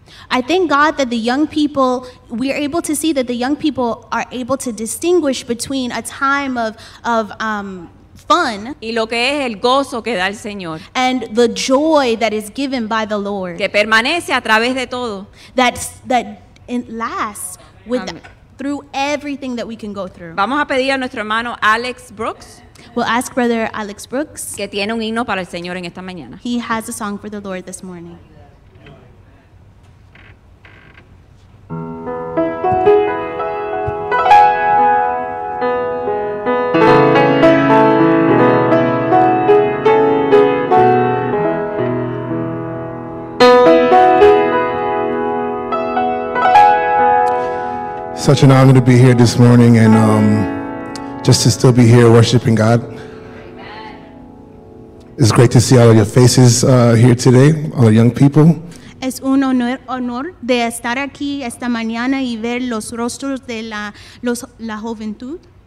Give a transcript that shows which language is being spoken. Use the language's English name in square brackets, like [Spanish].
[English] I thank God that the young people, we are able to see that the young people are able to distinguish between a time of fun, [Spanish] y lo que es el gozo que da el Señor, [English] and the joy that is given by the Lord, [Spanish] que permanece a través de todo, [English] that it lasts through everything that we can go through. [Spanish] Vamos a pedir a nuestro hermano Alex Brooks. [English] We'll ask Brother Alex Brooks, [Spanish] que tiene un himno para el Señor en esta mañana. [English] He has a song for the Lord this morning. Such an honor to be here this morning and just to still be here worshiping God. Amen. It's great to see all of your faces here today, all the young people. [Spanish] Es un honor de estar aquí esta mañana y ver los rostros de la juventud.